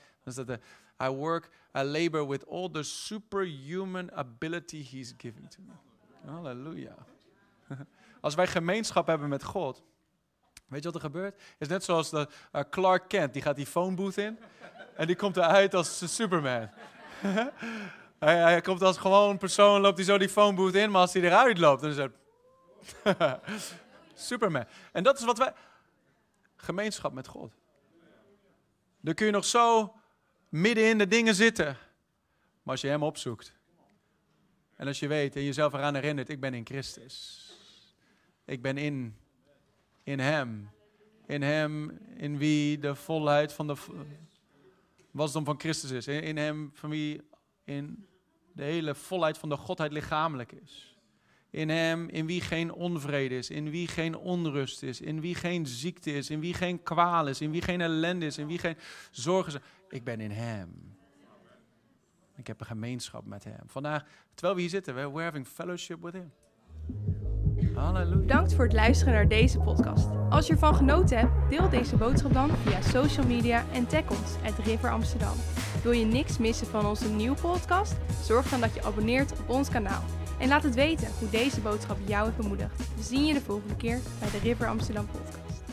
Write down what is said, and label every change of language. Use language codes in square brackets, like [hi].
[nl] Dan staat er, [en] I labor with all the superhuman ability he's giving to me. [nl] Halleluja. Als wij gemeenschap hebben met God, weet je wat er gebeurt? Het is net zoals de Clark Kent, die gaat die phone booth in en die komt eruit als Superman. Hij komt als gewoon een persoon, loopt hij zo die phoneboot in, maar als hij eruit loopt, dan is het Superman. En dat is wat wij, gemeenschap met God. Dan kun je nog zo midden in de dingen zitten, maar als je hem opzoekt. En als je weet en jezelf eraan herinnert, ik ben in Christus. Ik ben in hem. In hem, in wie de volheid van de wasdom van Christus is. In hem, van wie in de hele volheid van de Godheid lichamelijk is. In hem, in wie geen onvrede is, in wie geen onrust is, in wie geen ziekte is, in wie geen kwaal is, in wie geen ellende is, in wie geen zorgen zijn. Ik ben in hem. Ik heb een gemeenschap met hem. Vandaag, terwijl we hier zitten, [en] we're having fellowship with him. [nl] Halleluja. Bedankt voor het luisteren naar deze podcast. Als je ervan genoten hebt, deel deze boodschap dan via social media en tag ons @River Amsterdam. Wil je niks missen van onze nieuwe podcast? Zorg dan dat je abonneert op ons kanaal. En laat het weten hoe deze boodschap jou heeft bemoedigd. We zien je de volgende keer bij de River Amsterdam podcast.